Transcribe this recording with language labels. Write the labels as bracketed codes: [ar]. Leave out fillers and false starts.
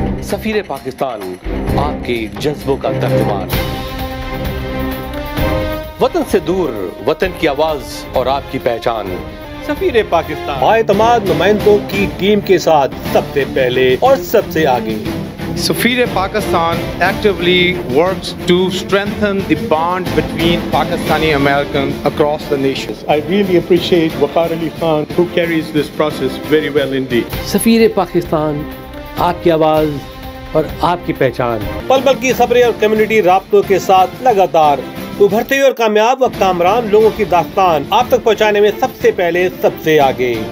[ur] سفیر پاکستان آپ کے جذبوں کا ترجمان. وطن سے دور وطن کی آواز اور آپ کی پہچان. سفیر پاکستان باعتماد نمائندوں کی ٹیم کے ساتھ سب سے پہلے اور سب سے آگے. [en] سفیر Pakistan actually works to strengthen the bond between Pakistani American across the nations. I really appreciate Waqar Ali Khan who carries this process very well indeed. [ur] سفیر پاکستان آپ کی آواز اور آپ کی پہچان. پل پل کی صبری اور کمیونٹی رابطوں کے ساتھ لگاتار ابھرتے ہوئے اور کامیاب و کامران لوگوں کی داستان آپ تک پہنچانے میں سب سے پہلے سب سے آگے.